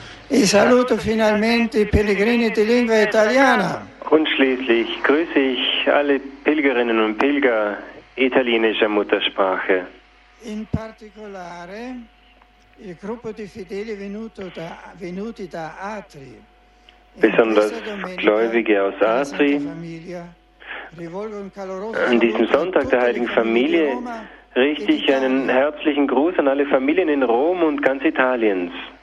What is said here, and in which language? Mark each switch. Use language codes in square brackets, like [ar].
[it] I saluto finalmente i pellegrini di lingua italiana. [de] Und schließlich grüße ich alle Pilgerinnen und Pilger italienischer Muttersprache. [it] In particolare il gruppo di fedeli venuti da Atri. [de] Besonders Gläubige aus Atri. An diesem Sonntag der Heiligen Familie richte ich einen herzlichen Gruß an alle Familien in Rom und ganz Italiens.